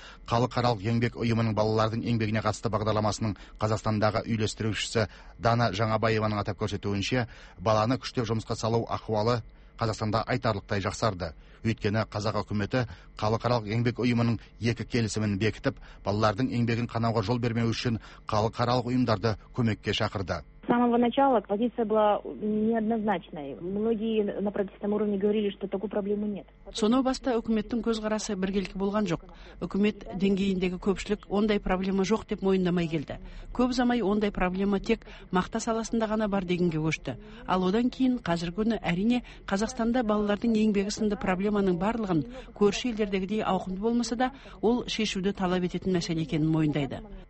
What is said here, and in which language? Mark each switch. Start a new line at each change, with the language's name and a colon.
Kazakh: Халықаралық еңбек ұйымының балалардың еңбегіне қатысты бағдарламасының Қазақстандағы үйлестірушісі Дана Жаңабаеваның атап көрсетуінше, баланы күштеп жұмысқа салу ахуалы Қазақстанда айтарлықтай жақсарды. Өйткені қазақ үкіметі халықаралық еңбек ұйымының екі келісімін бекітіп, балалардың еңбегін қанауға жол бермеу үшін халықаралық ұйымдарды көмекке шақырды.
Russian: С самого начала позиция была неоднозначной. Многие на правительственном уровне говорили, что такой проблемы нет.
Kazakh: Сонау баста үкіметтің көзқарасы біркелкі болған жоқ. Үкімет деңгейіндегі көпшілік ондай проблема жоқ деп мойындамай келді. Көп замай ондай проблема тек мақта саласында ғана бар дегенге көшті. Ал одан кейін қазіргі күні әрине Қазақстанда балалардың еңбегі сынды проблеманың барлығын көрші елдердегідей ауқымды болмаса да, ол шешуді талап ететін мәселе екенін мойындайды.